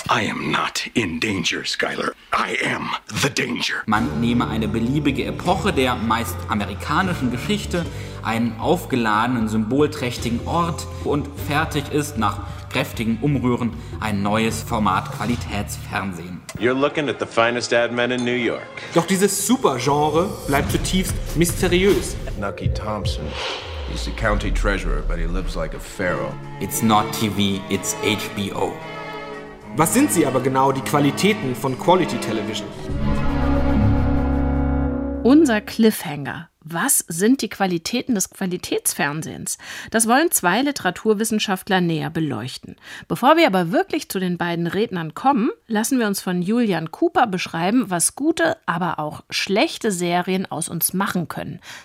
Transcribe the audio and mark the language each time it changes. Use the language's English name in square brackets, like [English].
[English] I am not in danger, Skyler. I am the danger. [German] Man nehme eine beliebige Epoche der meist amerikanischen Geschichte, einen aufgeladenen, symbolträchtigen Ort und fertig ist nach kräftigen Umrühren ein neues Format Qualitätsfernsehen. [English] You're looking at the finest ad men in New York. [German] Doch dieses Supergenre bleibt zutiefst mysteriös. [English] Nucky Thompson, he's the county treasurer, but he lives like a pharaoh. It's not TV, it's HBO. [German] Was sind sie aber genau, die Qualitäten von Quality Television? Unser Cliffhanger. Was sind die Qualitäten des Qualitätsfernsehens? Das wollen zwei Literaturwissenschaftler näher beleuchten. Bevor wir aber wirklich zu den beiden Rednern kommen, lassen wir uns von Julian Cooper beschreiben, was gute, aber auch schlechte Serien aus uns machen können.